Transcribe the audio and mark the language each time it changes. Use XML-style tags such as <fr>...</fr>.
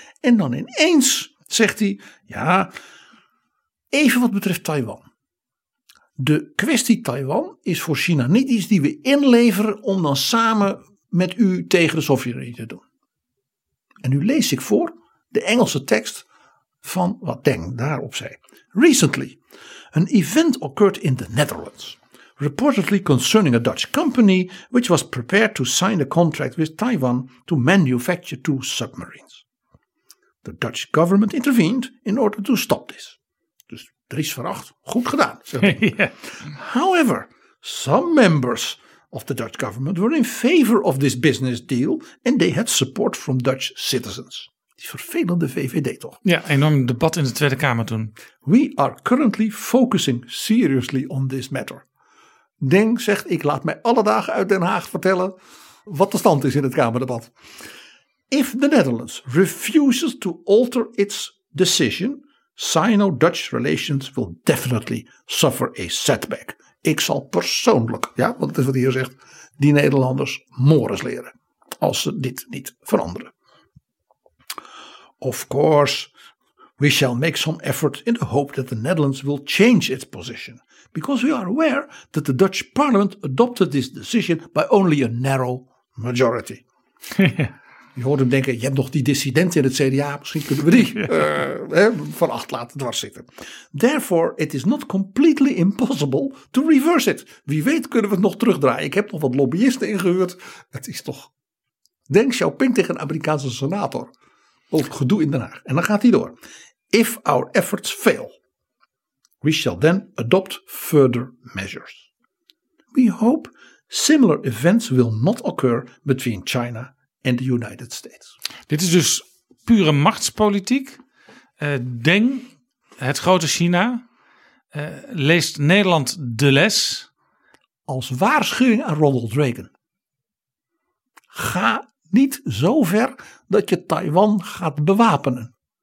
<nl>En dan ineens zegt hij, ja, even wat betreft Taiwan. De kwestie Taiwan is voor China niet iets die we inleveren om dan samen met u tegen de Sovjet-Unie te doen. En nu lees ik voor de Engelse tekst van wat Deng daarop zei.</nl> <en>Recently, an event occurred in the Netherlands, reportedly concerning a Dutch company which was prepared to sign a contract with Taiwan to manufacture 2 submarines. The Dutch government intervened in order to stop this.</en> <nl>Dus Dries van Acht, goed gedaan.</nl> <en>Yeah. However, some members of the Dutch government were in favor of this business deal and they had support from Dutch citizens.</en> <nl>Die vervelende VVD toch? Ja, enorm debat in de Tweede Kamer toen.</nl> <en>We are currently focusing seriously on this matter.</en> <nl>Deng zegt, ik laat mij alle dagen uit Den Haag vertellen wat de stand is in het Kamerdebat.</nl> <en>If the Netherlands refuses to alter its decision, Sino-Dutch relations will definitely suffer a setback.</en> <nl>Ik zal persoonlijk, ja, want het is wat hier zegt, die Nederlanders mores leren als ze dit niet veranderen.</nl> <en>Of course, we shall make some effort in the hope that the Netherlands will change its position, because we are aware that the Dutch parliament adopted this decision by only a narrow majority.</en> <nl>Je hoort hem denken, je hebt nog die dissidenten in het CDA, misschien kunnen we die van Acht laten dwars zitten.</nl> <en>Therefore, it is not completely impossible to reverse it.</en> <nl>Wie weet kunnen we het nog terugdraaien. Ik heb nog wat lobbyisten ingehuurd. Het is toch Deng Xiaoping tegen een Amerikaanse senator. Over gedoe in Den Haag. En dan gaat hij door.</nl> <en>If our efforts fail, we shall then adopt further measures. We hope similar events will not occur between China and the United States.</en> <nl>Dit is dus pure machtspolitiek. Deng, het grote China, leest Nederland de les. Als waarschuwing aan Ronald Reagan. Ga niet zover dat je Taiwan gaat bewapenen.</nl>